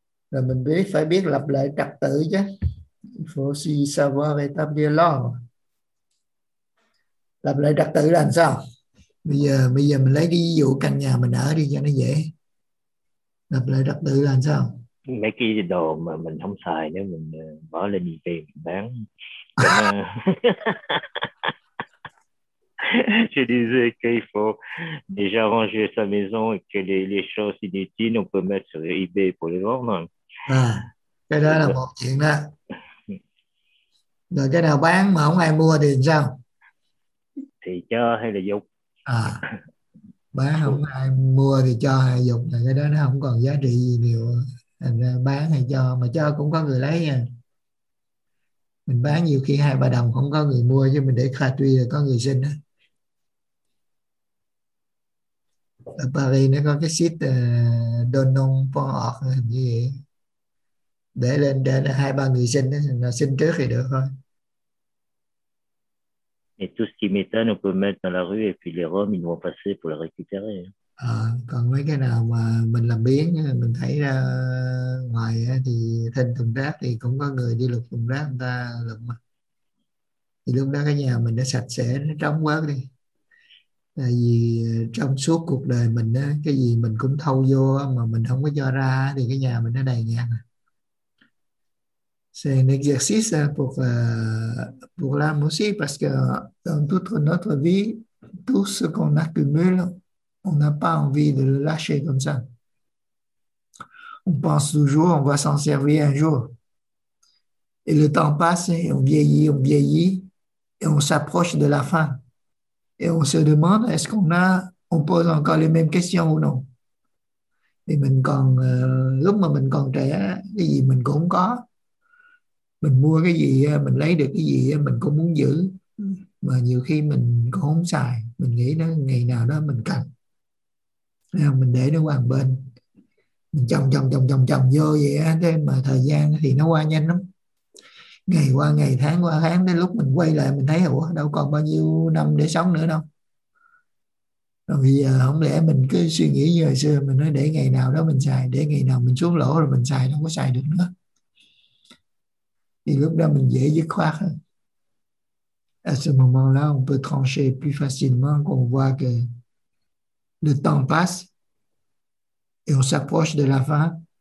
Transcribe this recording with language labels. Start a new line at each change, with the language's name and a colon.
Vietnamese: Rồi mình biết phải biết lập lại trật tự chứ.
French: Il faut aussi savoir établir l'ordre.
Vietnamese: Lập lại trật tự là sao? Bây giờ mình lấy đi ví dụ căn nhà mình ở đi cho nó dễ. Lập lại trật tự là sao? Mấy cái đồ mà mình không xài nữa mình bỏ lên đi tìm bán.
French: Je disais qu'il faut déjà ranger sa maison et que les choses inutiles on peut mettre sur eBay pour les vendre.
Vietnamese: Cái đó là một chuyện đó. Rồi cái nào bán mà không ai mua thì sao? Thì cho hay là dục? Bán không ai mua thì cho hay dục, là cái đó nó không còn giá trị gì nhiều. Thành ra bán hay cho, mà cho cũng có người lấy nha. Mình bán nhiều khi 2-3 đồng không có người mua, chứ mình để kha tuy là có người xin á. Ở Paris nó có cái sheet Donon Port hình như vậy. Để lên để 2-3 người xin, là xin trước thì được thôi.
French: Et tout ce qui m'étonne, on peut mettre dans la rue et puis les Roms, ils vont passer pour le récupérer.
Vietnamese: Còn mấy cái nào mà mình làm biến, mình thấy ra ngoài thì thành thùng rác thì cũng có người đi lục thùng rác, người ta lục mà. Thì lúc đó cái nhà mình nó sạch sẽ, nó trống quá đi. Tại vì trong suốt cuộc đời mình á, cái gì mình cũng thâu vô á, mà mình không có cho ra thì cái nhà mình nó đầy ngang.
French: C'est un exercice pour l'âme aussi, parce que dans toute notre vie, tout ce qu'on accumule, on n'a pas envie de le lâcher comme ça. On pense toujours on va s'en servir un jour. Et le temps passe, et on vieillit, et on s'approche de la fin. Et on se demande, est-ce on pose encore les mêmes questions ou non? Et
Vietnamese: mình còn, lúc mà mình còn trẻ, cái gì mình cũng có. Mình mua cái gì, mình lấy được cái gì, mình cũng muốn giữ. Mà nhiều khi mình cũng không xài. Mình nghĩ đó, ngày nào đó mình cần. Mình để nó qua một bên. Mình chồng chồng chồng chồng chồng vô vậy á. Thế mà thời gian thì nó qua nhanh lắm. Ngày qua ngày, tháng qua tháng, đến lúc mình quay lại mình thấy, ủa đâu còn bao nhiêu năm để sống nữa đâu. Rồi bây giờ không lẽ mình cứ suy nghĩ như hồi xưa, mình nói để ngày nào đó mình xài, để ngày nào mình xuống lỗ rồi mình xài, đâu có xài được nữa. Thì lúc đó mình dễ dứt khoát hơn.
French: À ce moment-là, on peut trancher plus facilement, qu'on voit que le temps passe et on s'approche de la fin.